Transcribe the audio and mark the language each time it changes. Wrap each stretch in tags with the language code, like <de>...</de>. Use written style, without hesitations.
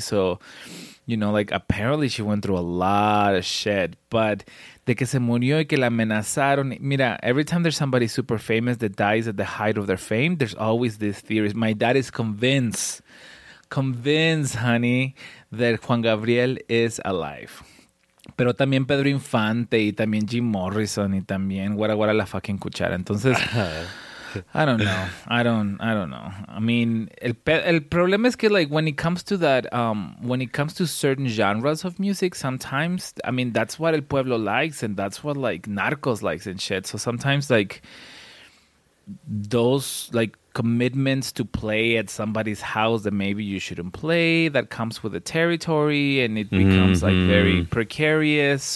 <en>So, you know, like, apparently she went through a lot of shit. But</en> <es>de que se murió y que la amenazaron. Mira,</es> <en>every time there's somebody super famous that dies at the height of their fame, there's always these theories. My dad is convinced convince Honey that Juan Gabriel is alive.</en> <es>Pero también Pedro Infante y también Jim Morrison y también Guara Guara la fucking cuchara. Entonces,</es> <en>I don't know. I mean,</en> <es>el problema es que,</es> <en>like, when it comes to that, when it comes to certain genres of music, sometimes, I mean, that's what</en> <es>el pueblo</es> <en>likes and that's what, like, Narcos likes and shit. So sometimes, like, those, like, commitments to play at somebody's house that maybe you shouldn't play, that comes with the territory and it becomes like very precarious.</en>